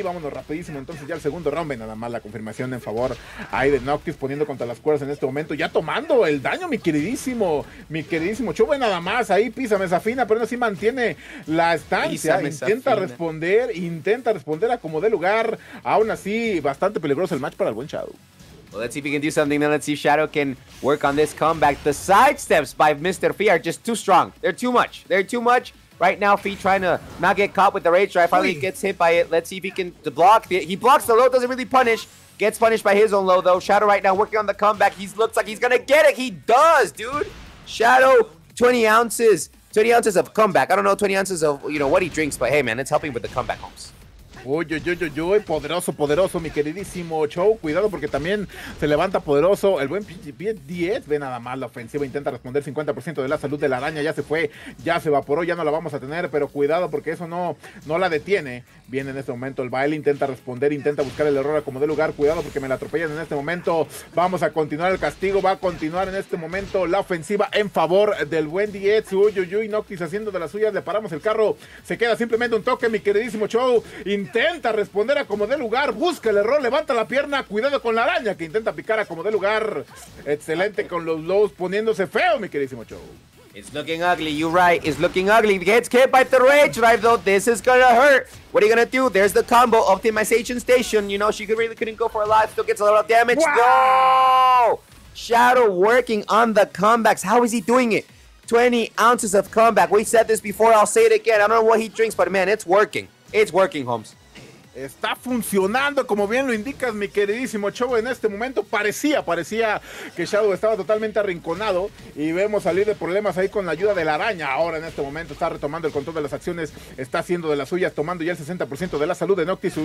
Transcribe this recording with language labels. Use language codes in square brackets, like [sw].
[es] Vámonos rapidísimo entonces ya al segundo round. Ven nada más la confirmación en favor ahí de Noctis poniendo contra las cuerdas en este momento. Ya tomando el daño, mi queridísimo. Chuve nada más ahí, pisa mesa fina, pero aún así mantiene la estancia. Intenta responder a como dé lugar. Aún así, bastante peligroso el match para el buen Shadow. [en] Well, let's see if we can do something. Then let's see if Shadow can work on this comeback. The sidesteps by Mr. Fee are just too strong. They're too much. Right now, Fee trying to not get caught with the rage drive. Finally, gets hit by it. Let's see if he can block. He blocks the low. Doesn't really punish. Gets punished by his own low, though. Shadow right now working on the comeback. He looks like he's going to get it. He does, dude. Shadow, 20 ounces. 20 ounces of comeback. I don't know 20 ounces of, you know, what he drinks. But, hey, man, it's helping with the comeback, Holmes. [es] Uy, uy, uy, uy, uy, poderoso, mi queridísimo Chow. Cuidado porque también se levanta poderoso el buen PhiDX. Ve nada más la ofensiva, intenta responder 50% de la salud de la araña. Ya se fue, ya se evaporó, ya no la vamos a tener. Pero cuidado porque eso no la detiene. Viene en este momento el baile, intenta responder, intenta buscar el error a como de lugar. Cuidado porque me la atropellan en este momento. Vamos a continuar el castigo, va a continuar en este momento la ofensiva en favor del buen PhiDX. Uy, uy, uy, Noctis haciendo de las suyas, le paramos el carro. Se queda simplemente un toque, mi queridísimo Chow. Intenta responder a como dé lugar, busca el error, levanta la pierna, cuidado con la araña que intenta picar a como dé lugar. Excelente con los lows poniéndose feo, mi queridísimo Joe. [en] It's looking ugly, you're right, it's looking ugly. Gets hit by the rage drive though, this is gonna hurt. What are you gonna do? There's the combo, optimization station. You know, she really couldn't go for a lot, still gets a lot of damage. Wow. No! Shadow working on the comebacks, how is he doing it? 20 ounces of comeback, we said this before, I'll say it again. I don't know what he drinks, but man, it's working. It's working, Holmes. [es] Está funcionando, como bien lo indicas, mi queridísimo Chobo. En este momento parecía que Shadow estaba totalmente arrinconado y vemos salir de problemas ahí con la ayuda de la araña. Ahora en este momento está retomando el control de las acciones, está haciendo de las suyas, tomando ya el 60% de la salud de Noctis.